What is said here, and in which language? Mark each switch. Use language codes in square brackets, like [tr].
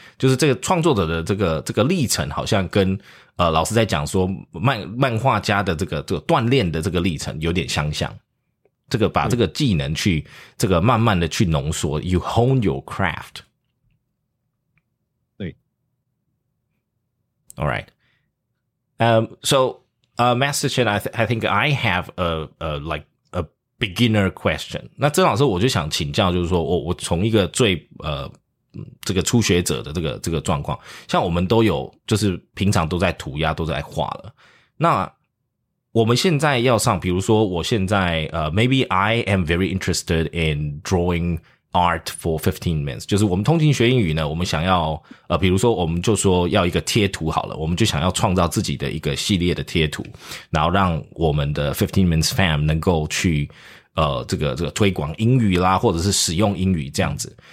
[zh] 就是这个创作者的这个历程好像跟老师在讲说漫画家的这个锻炼的这个历程有点相像。这个把这个技能去这个慢慢的去浓缩 , [en] you hone your craft. [zh] 对。 [en] Alright. Master Chen, I think I have a beginner question. [zh] 那曾老师我就想请教，就是说我从一个最这个初学者的这个状况，像我们都有，就是平常都在涂鸦，都在画了。那我们现在要上，比如说我现在 [en] maybe I am very interested in drawing art for 15 minutes， [zh] 就是我们通勤学英语呢，我们想要比如说我们就说要一个贴图好了，我们就想要创造自己的一个系列的贴图，然后让我们的 15 minutes fam 能够去这个推广英语啦，或者是使用英语这样子。